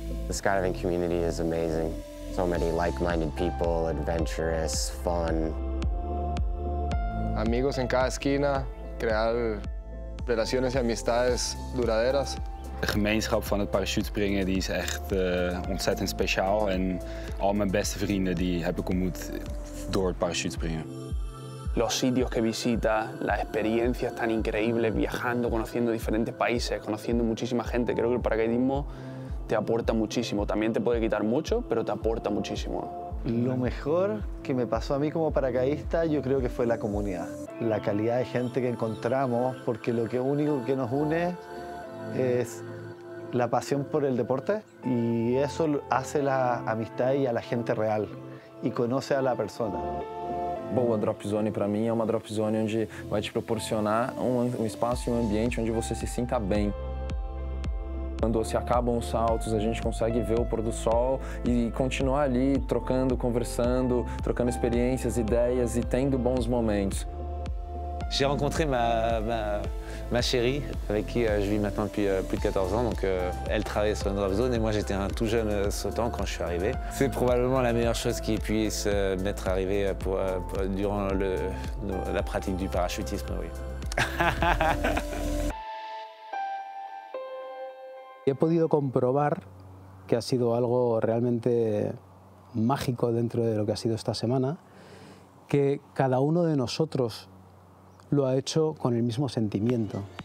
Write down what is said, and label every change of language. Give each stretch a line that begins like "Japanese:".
English: The skydiving community is amazing. So many like-minded people, adventurous, fun.
Spanish: Amigos en cada esquina, crear relaciones y amistades duraderas.
Dutch: De gemeenschap van het parachutespringen die is echt ontzettend speciaal. En al mijn beste vrienden die heb ik ontmoet door het parachutespringen.
Spanish: Los sitios que visita, la experiencia tan increíble, viajando, conociendo diferentes países, conociendo muchísima gente. Creo que el paracaidismo te aporta muchísimo. También te puede quitar mucho, pero te aporta muchísimo. Lo mejor que me pasó a mí como paracaidista, yo creo que fue la comunidad. La calidad de gente que encontramos, porque lo que único que nos une es la pasión por el deporte y eso hace la amistad y a la gente real y conoce a la persona. Boa Drop Zone para mí es una Drop Zone donde va a te proporcionar un espacio y un ambiente donde
Portuguese: você se sinta
Spanish: bien.
Portuguese: Quando se acabam os saltos, a gente consegue ver o pôr do sol e continuar ali trocando, conversando, trocando experiências, ideias e tendo bons momentos.
French: J'ai rencontré ma chérie, avec qui je vis maintenant depuis plus de 14 ans. Donc, elle travaillait sur une drop zone et moi, j'étais un tout jeune sautant quand je suis arrivé. C'est probablement la meilleure chose qui puisse m'être arrivée durant la pratique du parachutisme, oui. J'ai pu
Spanish: comprobar que ha sido algo realmente mágico dentro de lo que ha sido esta semana, que cada uno de nosotros lo ha hecho con el mismo sentimiento.